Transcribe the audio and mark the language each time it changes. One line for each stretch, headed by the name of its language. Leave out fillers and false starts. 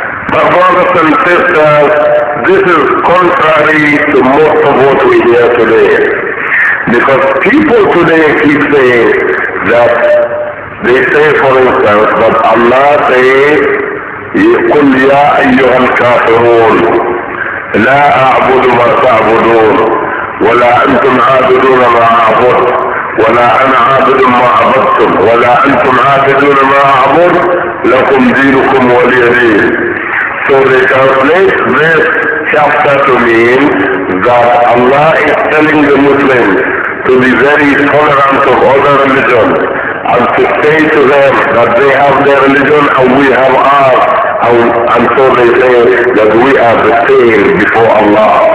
English: But brothers and sisters, this is contrary to most of what we hear today. Because people today keep saying that, they say for instance, that Allah says,
Arabic: قُلْ يَا أَيُّهَا الْكَافِرُونَ لَا أَعْبُدُ مَا تَعْبُدُونَ وَلَا أَنْتُمْ عَابِدُونَ مَا أَعْبُدُ وَلَا أَنَا عَابِدٌ مَا عَبَدْتُمْ وَلَا أَنْتُمْ عَابِدُونَ مَا أَعْبُدُ لَكُمْ دِينُكُمْ وَلِيَ دِينِ.
English: So they translate this chapter to mean that Allah is telling the Muslims to be very tolerant of other religions and to say to them that they have their religion and we have ours, and so they say that we are the same before Allah.